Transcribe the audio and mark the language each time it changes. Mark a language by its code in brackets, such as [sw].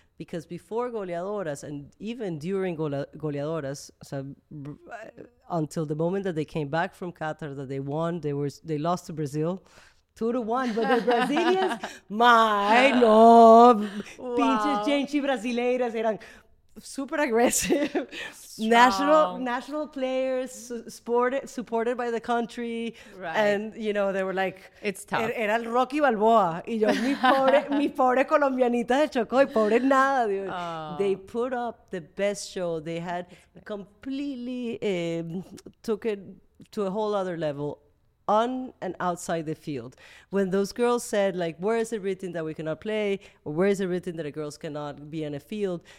[en] Because before Goleadoras, and even during Goleadoras, so until the moment that they came back from Qatar, that they won, they lost to Brazil 2-1. But the Brazilians, my love, [es] pinches gente brasileiras, eran [en] super aggressive, national players, supported by the country. Right. And, you know, they were like, it's tough. [es] Era el Rocky Balboa. Y yo, mi pobre colombianita de Chocó, y pobre nada. [en] Dude. Oh. They put up the best show. They had completely took it to a whole other level on and outside the field. When those girls said, like, where is it written that we cannot play? Or where is it written that a girls cannot be in a field?